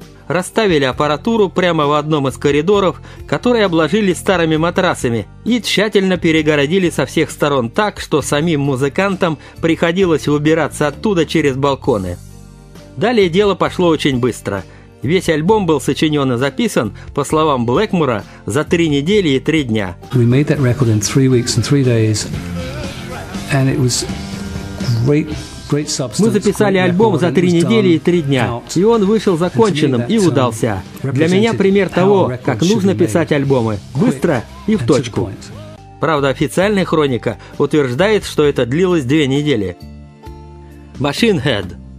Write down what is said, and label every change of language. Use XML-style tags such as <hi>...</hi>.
<ru>Расставили аппаратуру прямо в одном из коридоров, который обложили старыми матрасами, и тщательно перегородили со всех сторон так, что самим музыкантам приходилось выбираться оттуда через балконы. Далее дело пошло очень быстро. Весь альбом был сочинен и записан, по словам Блэкмора, за 3 недели и 3 дня.</ru> <en>We made that record in 3 weeks and 3 days, and it was great, great substance.</en> <ru>Мы записали альбом за 3 недели и 3 дня, и он вышел законченным и удался. Для меня пример того, как нужно писать альбомы, быстро и в точку. Правда, официальная хроника утверждает, что это длилось 2 недели.</ru> <en>Machine Head.</en>